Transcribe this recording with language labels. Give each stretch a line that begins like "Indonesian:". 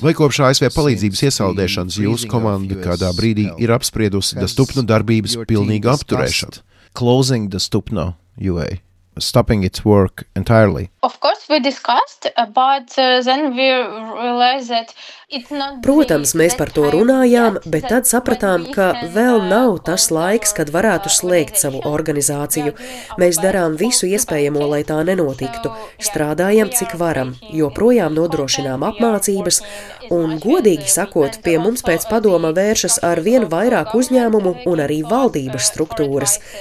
Latvian: Vai kopš ASV palīdzības iesaldēšanas jūsu komanda kādā brīdī ir apspriedusi da stupno darbības pilnīgu apturēšanu?
English: Closing the stupno UA, stopping its work entirely. Of course we discussed, but then we realized that
Latvian: Protams, mēs par to runājām, bet tad sapratām, ka vēl nav tas laiks, kad varētu slēgt savu organizāciju. Mēs darām visu iespējamo, lai tā nenotiktu. Strādājam, cik varam, joprojām nodrošinām apmācības. Un, godīgi sakot, pie mums pēc padoma vēršas ar vien vairāk uzņēmumu un arī valdības struktūras.